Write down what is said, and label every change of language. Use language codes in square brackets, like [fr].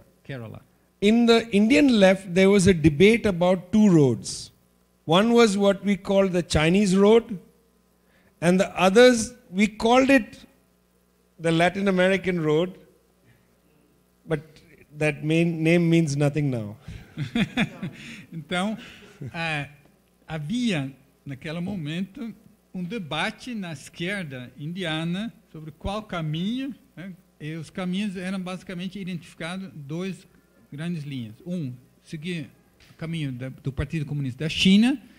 [pt] Kerala. [en] In the Indian left, there was a debate about two roads. One was what we called the Chinese road, and the others, we called it the Latin American road, but that name means nothing now. [pt] Então, havia naquele momento debate na esquerda indiana sobre qual caminho, e os caminhos eram basicamente identificados em duas grandes linhas. Seguir o caminho do Partido Comunista da China